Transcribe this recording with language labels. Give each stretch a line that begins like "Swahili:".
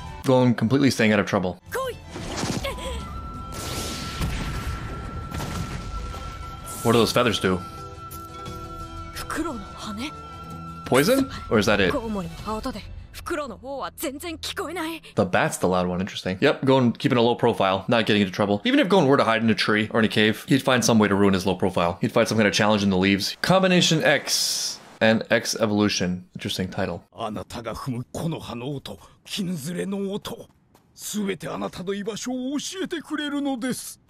English: ゴン completely staying out of trouble.
Japanese: 来い。
English: What do those feathers do?
Japanese: フクロウの羽？
English: Poison? Or is that it?
Japanese: コウモリの羽音で、フクロウの方は全然聞こえない。
English: The bat's the loud one, interesting. Yep, Gon keeping a low profile, not getting into trouble. Even if Gon were to hide in a tree or in a cave, he'd find some way to ruin his low profile. He'd find some kind of challenge in the leaves. Combination X and X Evolution. Interesting title.
Japanese: あなたが踏むこの羽の音、金ずれの音、すべてあなたの居場所を教えてくれるのです。